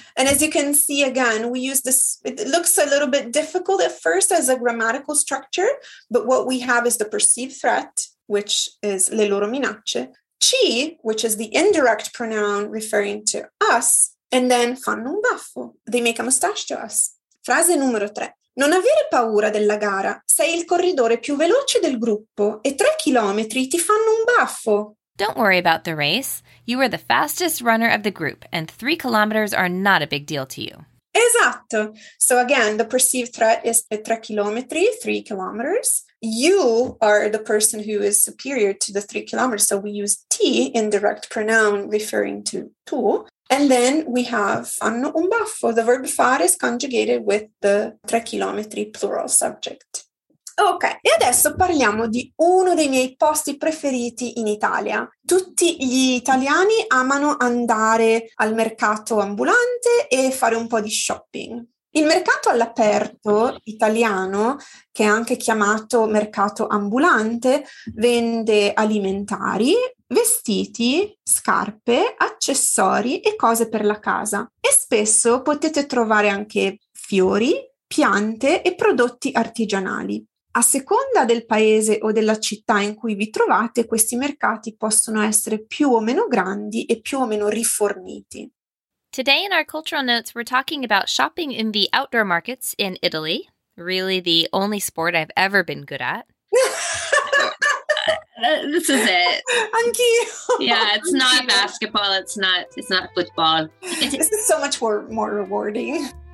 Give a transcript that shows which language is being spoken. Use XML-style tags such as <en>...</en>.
<en>And as you can see, again, we use this, it looks a little bit difficult at first as a grammatical structure, but what we have is the perceived threat, which is</en> <it>le loro minacce,</it> <en>ci, which is the indirect pronoun referring to us, and then</en> <it>fanno un baffo.</it> <en>They make a mustache to us.</en> <it>Frase numero tre. Non avere paura della gara. Sei il corridore più veloce del gruppo e 3 chilometri ti fanno un baffo.</it> <en>Don't worry about the race. You are the fastest runner of the group and 3 kilometers are not a big deal to you.</en> <it>Esatto.</it> <en>So again, the perceived threat is</en> <it>3 chilometri,</it> <en>3 kilometers. You are the person who is superior to the 3 kilometers. So we use ti in direct pronoun referring to tu. And then we have</en> <it>fanno un baffo.</it> <en>The verb fare is conjugated with the</en> <it>3 chilometri</it> <en>plural subject.</en> <it>Ok, e adesso parliamo di uno dei miei posti preferiti in Italia. Tutti gli italiani amano andare al mercato ambulante e fare un po' di shopping. Il mercato all'aperto italiano, che è anche chiamato mercato ambulante, vende alimentari, vestiti, scarpe, accessori e cose per la casa. E spesso potete trovare anche fiori, piante e prodotti artigianali. A seconda del paese o della città in cui vi trovate, questi mercati possono essere più o meno grandi e più o meno riforniti.</it> <en>Today in our cultural notes, we're talking about shopping in the outdoor markets in Italy. Really the only sport I've ever been good at. This is it.</en> <it>Anch'io.</it> <en>Yeah, it's not basketball. It's not football. This is so much more rewarding.</en>